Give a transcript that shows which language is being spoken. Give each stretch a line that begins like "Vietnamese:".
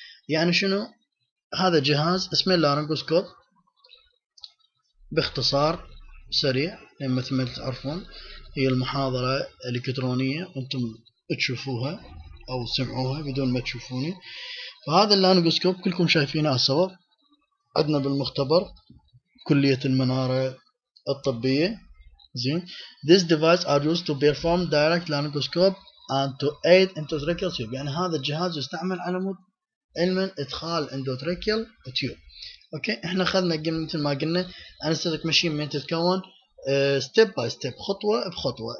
Arabic: يعني شنو هذا جهاز اسمه اللارنجوسكوب؟ باختصار سريع، لما مثل ما تعرفون هي المحاضرة الالكترونية انتم تشوفوها او تسمعوها بدون ما تشوفوني. فهذا اللارنجوسكوب كلكم شايفينه سوا عندنا بالمختبر كلية المنارة الطبية، زين.
English: This device are used to perform direct laryngoscope and to aid endotracheal tube.
Arabic: يعني هذا الجهاز يستعمل على مود علما ادخال endotracheal tube. اوكي، احنا اخذنا مثل ما قلنا anesthetic machine من تتكون
English: step by step،
Arabic: خطوة بخطوة.